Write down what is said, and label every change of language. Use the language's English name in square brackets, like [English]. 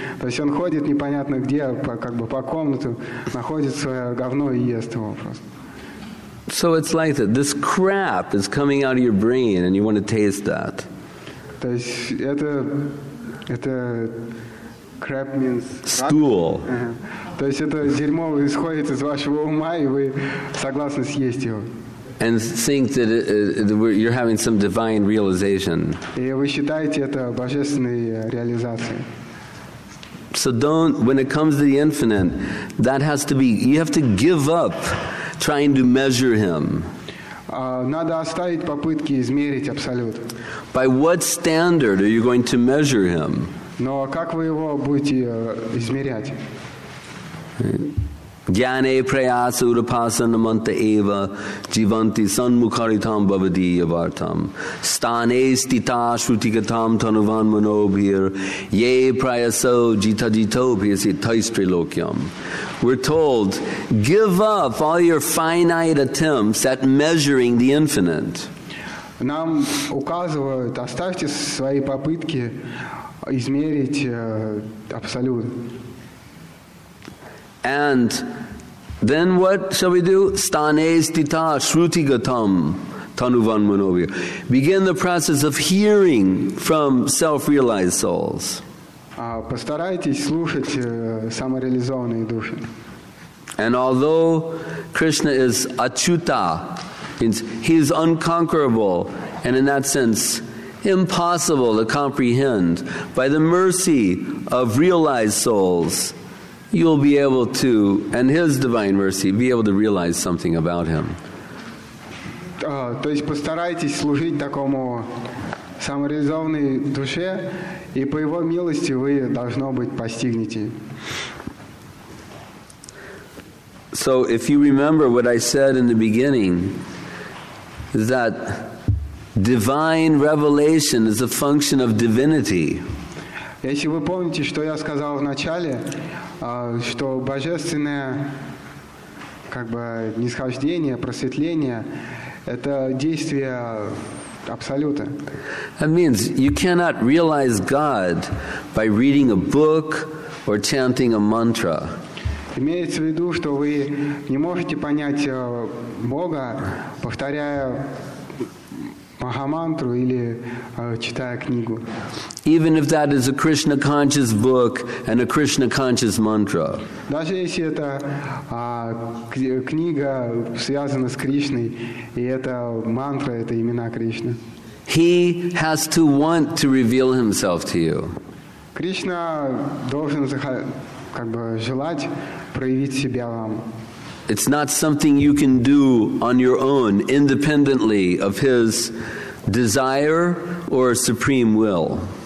[Russian] То есть он ходит непонятно где, по комнату, находит свое говно и ест его просто. [English] So it's like that. This crap is coming out of your brain and you want to taste that. [Russian] То есть это [English] crap means stool. [Russian] То есть это дерьмо исходит из вашего ума и вы согласны съесть его. [English] And think that you're having some divine realization. [Russian] И вы считаете это божественной реализацией. [English] So don't, when it comes to the infinite, that has to be, you have to give up trying to measure him. [Russian] Надо оставить попытки измерить абсолют. [English] By what standard are you going to measure him? [Russian] Но как вы его будете измерять? [Sanskrit] Jnane prayasa udapasana manta eva jivanti sanmukharitam bhavadiya vartam stane stita shrutigatam tanuvan manobhir ye prayaso jita jito bhisi taistri lokyam. [English] We're told, give up all your finite attempts at measuring the infinite. [Russian] Нам указывают, оставьте свои попытки измерить Абсолют. [English] And then what shall we do? [Sanskrit] Stane stita shruti gatam tanuvan manovya. [English] Begin the process of hearing from self-realized souls. [Russian] Постарайтесь слушать самореализованные души. [English] And although Krishna is achyuta, means he is unconquerable, and in that sense impossible to comprehend, by the mercy of realized souls, you'll be able to, and His Divine Mercy, be able to realize something about Him. [Russian] То есть постарайтесь служить такому самореализованной душе, и по Его милости вы, должно быть, постигнете. [English] So, if you remember what I said in the beginning, is that divine revelation is a function of divinity. [Russian] Если вы помните, что я сказал в начале, что божественное как бы нисхождение, просветление – это действие Абсолюта. [English] That means you cannot realize God by reading a book or chanting a mantra. [Russian] Имеется в виду, что вы не можете понять Бога, повторяя Махамантру или читая книгу. [English] Even if that is a Krishna conscious book and a Krishna conscious mantra. [Russian] Даже если это книга связана с Кришной и это мантра, это имена Кришны. [English] He has to want to reveal himself to you. [Russian] Кришна должен как бы желать проявить себя вам. [English] It's not something you can do on your own, independently of His desire or supreme will.